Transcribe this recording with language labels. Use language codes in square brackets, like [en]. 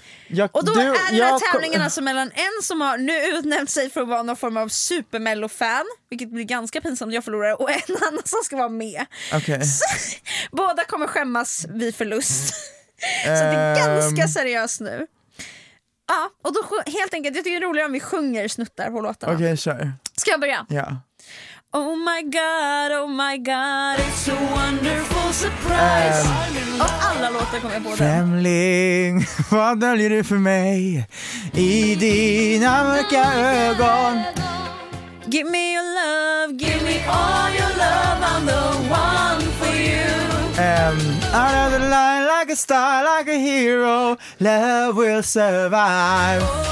[sv] Jag, och då du, är den här tävlingen alltså mellan en som har nu utnämnt sig för att vara någon form av supermellofan, vilket blir ganska pinsamt, jag förlorar, och en annan som ska vara med. Okay. Så, båda kommer skämmas vid förlust. Så det är ganska seriöst nu. Ja, och då helt enkelt, jag tycker det är roligare om vi sjunger snuttar på låtarna. Okej, kör. Ska jag börja? Ja. [en] Oh my god, it's a wonderful surprise. [sv] Och alla låtar kommer på den. Främling, vad döljer du för mig i dina mörka ögon? [en] Give me your love, give me all your love, I'm the one for you. Out of the line like a star, like a hero, love will survive.